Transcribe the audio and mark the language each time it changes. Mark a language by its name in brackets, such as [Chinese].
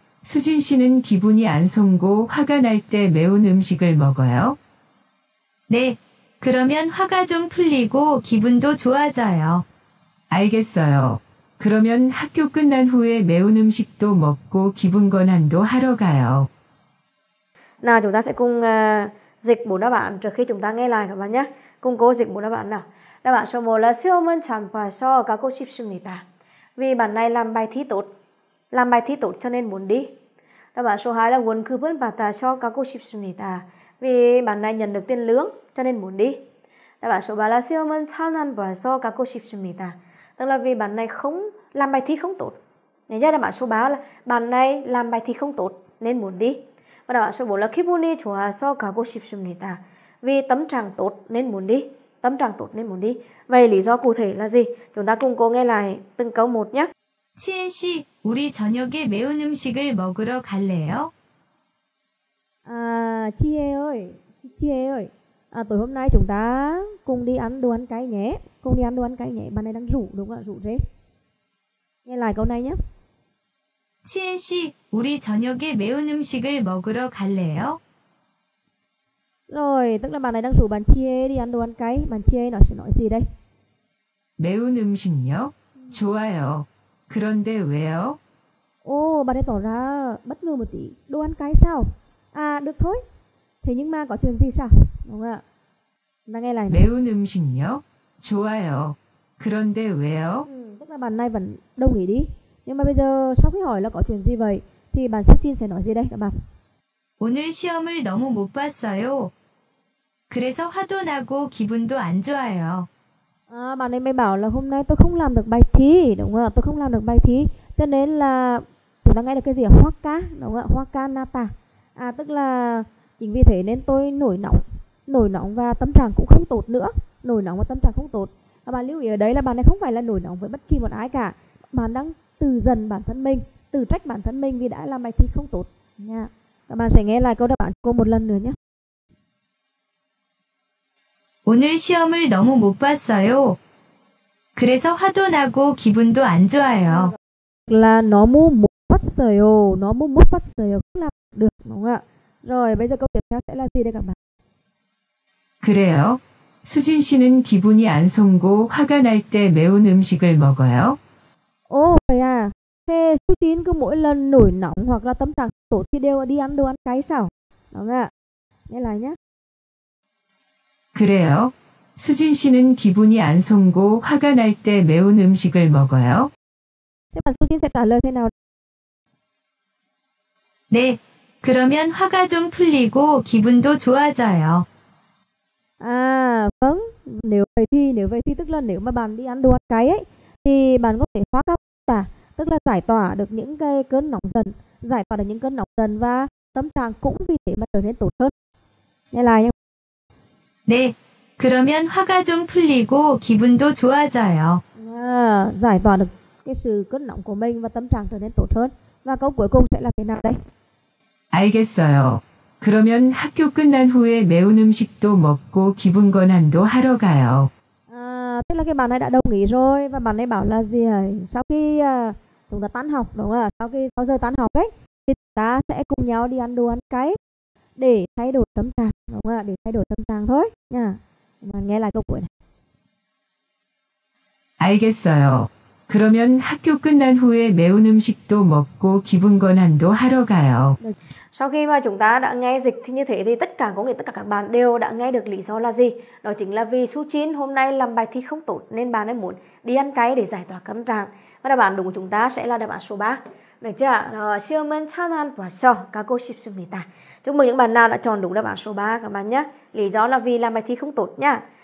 [Korean] 수진 씨는 기분이 안 송고 화가 날 때 매운 음식을 먹어요? 네, 그러면 화가 좀 풀리고 기분도 좋아져요. 알겠어요. 그러면 학교 끝난 후에 매운 음식도 먹고 기분 전환도 하러 가요. [Vietnamese] Nào chúng ta sẽ cùng dịch bốn đáp án trước khi chúng ta nghe lại các bạn nhé. Cùng cô dịch bốn đáp án nào. Đáp án số 1 là [Korean] 시험은 잘 봐서 가고 싶습니다. [Vietnamese] Vì bạn này làm bài thi tốt. Làm bài thi tốt cho nên muốn đi. Đáp án số 2 là [Korean] 월급은 받아서 가고 싶습니다. [Vietnamese] Vì bạn này nhận được tiền lương cho nên muốn đi. Đáp án số 3 là [Korean] 시험은 잘 안 봐서 가고 싶습니다. [Vietnamese] Tức là vì bạn này không làm bài thi không tốt. Nghe nhớ đáp án số 3 là bạn này làm bài thi không tốt nên muốn đi. Và đáp án số 4 là [Korean] 기분이 좋아서 가고 싶습니다. [Vietnamese] Vì tâm trạng tốt nên muốn đi. Tâm trạng tốt nên muốn đi. Vậy lý do cụ thể là gì? Chúng ta cùng cố nghe lại từng câu một nhé. [Korean] 치은 씨, 우리 저녁에 매운 음식을 먹으러 갈래요? 아, 치에 ơi. 치에 ơi. [Vietnamese] À, tối hôm nay chúng ta cùng đi ăn đồ ăn cay nhé. Cùng đi ăn đồ ăn cay nhé. Bạn này đang rủ đúng không ạ? Rủ rê. Nghe lại câu này nhé. [Korean] 치은 씨, 우리 저녁에 매운 음식을 먹으러 갈래요? [Vietnamese] Rồi, tức là bạn này đang rủ bạn Chie đi ăn đồ ăn cay. Bạn Chie nó sẽ nói gì đây? [Korean] 매운 음식요? 좋아요. 그런데 왜요? [Vietnamese] Ồ, bạn ấy tỏ ra bất ngờ một tí. Đồ ăn cay sao? À, được thôi. Thế nhưng mà có chuyện gì sao? Đúng không ạ? Chúng ta nghe lại. [Korean] 매운 음식요? 좋아요. 그런데 왜요? [Vietnamese] Tức là bạn này vẫn đồng ý đi. Nhưng mà bây giờ sau khi hỏi là có chuyện gì vậy, thì bạn Suchin sẽ nói gì đây các bạn? [Korean] 오늘 시험을 너무 못 봤어요. 그래서 화도 나고 기분도 안 좋아요. [Vietnamese] 아, bạn ấy mới bảo là hôm nay tôi không làm được bài thi, đúng không ạ? Tôi không làm được bài thi, cho nên là chúng ta nghe được cái gì ạ? Hoa ca, đúng không ạ? Hoa ca nata. À, tức là chính vì thế nên tôi nổi nóng và tâm trạng cũng không tốt nữa. Nổi nóng và tâm trạng không tốt. Và bạn lưu ý ở đấy là bạn ấy không phải là nổi nóng với bất kỳ một ai cả. Bạn đang tự dần bản thân mình, tự trách bản thân mình vì đã làm bài thi không tốt. Nha. Các bạn sẽ nghe lại câu đáp án cô một lần nữa nhé. [Korean] 오늘 시험을 너무 못 봤어요. 그래서 화도 나고 기분도 안 좋아요. Là 너무 못 봤어요. 너무 못 봤어요. [Vietnamese] Không làm được, đúng không ạ? Rồi, bây giờ câu tiếp theo sẽ là gì đây các bạn? [Korean] 그래요? 수진 씨는 기분이 안 송고 화가 날 때 매운 음식을 먹어요? [Vietnamese] Ồ, vậy à. Thế Suchin cứ mỗi lần nổi nóng hoặc là tâm trạng tốt thì đều đi ăn đồ ăn cay sao? Đúng không ạ? Nghe lại nhé. [Korean] 그래요? 수진 씨는 기분이 안 송고 화가 날 때 매운 음식을 먹어요? [Vietnamese] Thế bạn Suchin sẽ trả lời thế nào? [Korean] 네, 그러면 화가 좀 풀리고 기분도 좋아져요. [Vietnamese] À, vâng. Nếu vậy thì tức là nếu mà bạn đi ăn đồ ăn cay ấy, thì bạn có thể hóa cao cả. Tức là giải tỏa được những cái cơn nóng dần, giải tỏa được những cơn nóng dần và tâm trạng cũng vì thế mà trở nên tốt hơn. Nghe lại nhé. [Korean] 네, 그러면 화가 좀 풀리고 기분도 좋아져요. [Vietnamese] À, giải tỏa được cái sự cơn nóng của mình và tâm trạng trở nên tốt hơn. Và câu cuối cùng sẽ là thế nào đây? [Korean] 알겠어요. 그러면 학교 끝난 후에 매운 음식도 먹고 기분 전환도 하러 가요. [Vietnamese] Thế là cái bạn này đã đồng ý rồi và bạn ấy bảo là gì ấy? Sau khi chúng ta tan học đúng không ạ? Sau khi 6 giờ tan học ấy thì ta sẽ cùng nhau đi ăn đồ ăn cay để thay đổi tâm trạng đúng không ạ? Để thay đổi tâm trạng thôi nha. Mà nghe lại câu cuối này. 알겠어요. 그러면 학교 끝난 후에 매운 음식도 먹고 기분 전환도 하러 가요. Sau khi mà chúng ta đã nghe dịch thì như thế thì tất cả có nghĩa tất cả các bạn đều đã nghe được lý do là gì? Đó chính là vì Suchin hôm nay làm bài thi không tốt nên bạn ấy muốn đi ăn cay để giải tỏa căng thẳng. Và đáp án đúng của chúng ta sẽ là đáp án số 3. Được chưa? [Korean] 시험은 잘 안 봐서 가고 싶습니다. [Vietnamese] Chúc mừng những bạn nào đã chọn đúng đáp án số 3 các bạn nhé. Lý do là vì làm bài thi không tốt nhá.